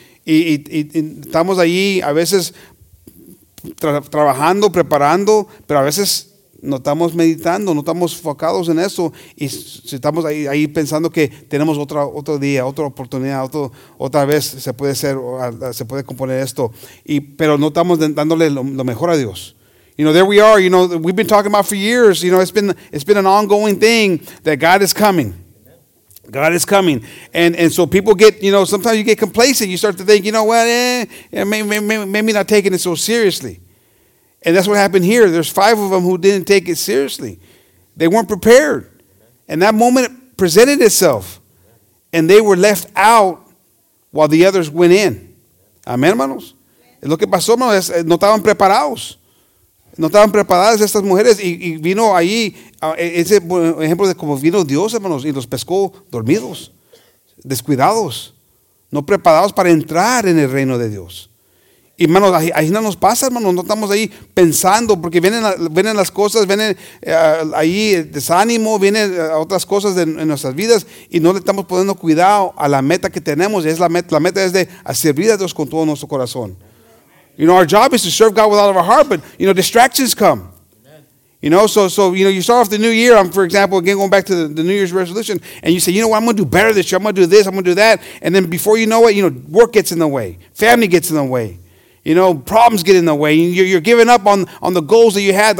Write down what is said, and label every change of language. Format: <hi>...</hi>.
<es>Y estamos allí a veces trabajando, preparando, pero a veces no estamos meditando, no estamos enfocados en eso. Y estamos ahí pensando que tenemos otro día, otra oportunidad, otra vez se puede hacer, se puede componer esto. Pero no estamos dándole lo mejor a Dios.</es> <en>You know, there we are. You know, we've been talking about for years. You know, it's been an ongoing thing that God is coming. God is coming. And so people get, you know, sometimes you get complacent. You start to think, you know what, maybe not taking it so seriously. And that's what happened here. There's five of them who didn't take it seriously. They weren't prepared. And that moment presented itself. And they were left out while the others went in.</en> <es>Amén, hermanos. Lo que pasó, hermanos, es no estaban preparados. No estaban preparadas estas mujeres. Y vino ahí, ese ejemplo de cómo vino Dios, hermanos, y los pescó dormidos, descuidados, no preparados para entrar en el reino de Dios. Y, hermanos, ahí no nos pasa, hermanos. No estamos ahí pensando, porque vienen las cosas, vienen ahí el desánimo, vienen otras cosas en nuestras vidas, y no le estamos poniendo cuidado a la meta que tenemos. Es la meta es de servir a Dios con todo nuestro corazón.</es> <en>You know, our job is to serve God with all of our heart, but, you know, distractions come. Amen. You know, so you know, you start off the new year. For example, again, going back to the New Year's resolution, and you say, you know what, I'm going to do better this year. I'm going to do this. I'm going to do that. And then before you know it, you know, work gets in the way. Family gets in the way. You know, problems get in the way. You're giving up on the goals that you had.</en>